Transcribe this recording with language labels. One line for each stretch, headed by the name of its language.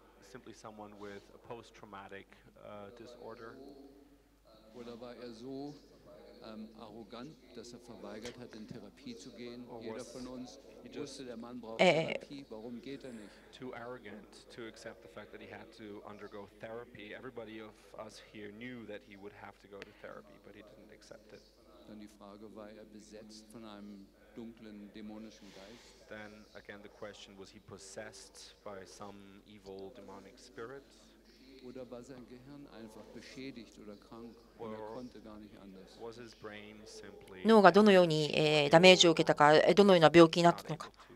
English: Simply someone with a post-traumatic disorder.
German: Oder war er so arrogant, dass er verweigert hat, in Therapie zu gehen? Jeder von uns wusste, der Mann braucht Therapie. Warum geht er nicht?
English: Too arrogant to accept the fact that he had to undergo therapy. Everybody of us here knew that he would have to go to therapy, but he didn't accept it.
German: Dann die Frage, war er besetzt von einem dunklen dämonischen Geist?
English: Then again, the question was: he possessed by some evil demonic spirit?
German: Oder war sein Gehirn einfach beschädigt oder krank? Und er konnte gar nicht anders.
English: Was his brain simply?
Japanese: 脳がどのように、ダメージを受けたか、どのような病気になったのか。